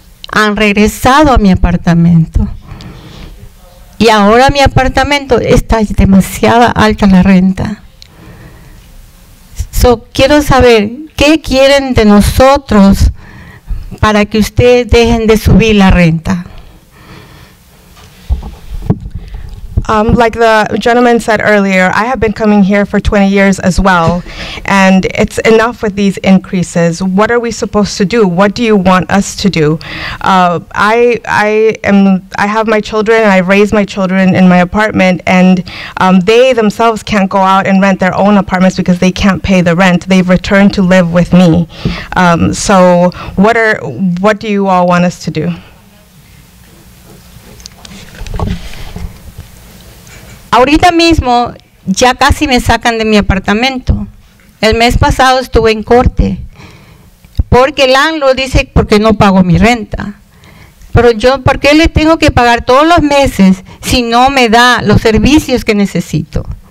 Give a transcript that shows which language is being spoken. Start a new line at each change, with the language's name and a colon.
Spanish: Han regresado a mi apartamento. Y ahora mi apartamento está demasiado alta la renta. So, quiero saber, ¿qué quieren de nosotros para que ustedes dejen de subir la renta?
English: Like the gentleman said earlier, I have been coming here for 20 years as well, and it's enough with these increases. What are we supposed to do? What do you want us to do? I have my children, and I raise my children in my apartment, and they themselves can't go out and rent their own apartments because they can't pay the rent. They've returned to live with me. So what do you all want us to do?
Spanish: Ahorita mismo ya casi me sacan de mi apartamento. El mes pasado estuve en corte porque el landlord dice porque no pago mi renta. Pero yo, ¿por qué le tengo que pagar todos los meses si no me da los servicios que necesito?